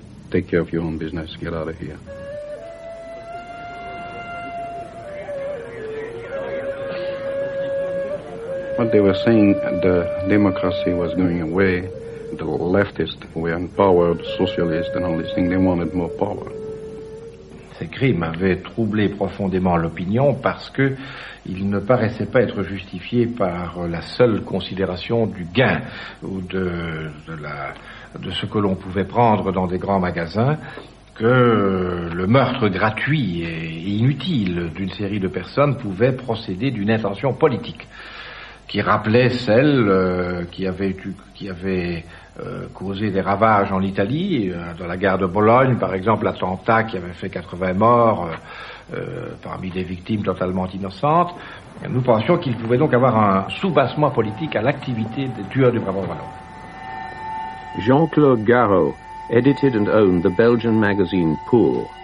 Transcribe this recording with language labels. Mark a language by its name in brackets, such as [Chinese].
[English] Take care of your own business, get out of here. What they were saying, the democracy was going away, the leftists were in power, the socialists and all these things, they wanted more power. [French] Ces crimes avaient troublé profondément l'opinion parce qu'ils ne paraissaient pas être justifiés par la seule considération du gain ou de ce que l'on pouvait prendre dans des grands magasins, que le meurtre gratuit et inutile d'une série de personnes pouvait procéder d'une intention politique qui rappelait celle qui avait causé des ravages en Italie, dans la gare de Bologne, par exemple, l'attentat qui avait fait 80 morts parmi des victimes totalement innocentes. Nous pensions qu'il pouvait donc avoir un soubassement politique à l'activité des tueurs du Brabant Wallon. [English] Jean-Claude Garot edited and owned the Belgian magazine Pour.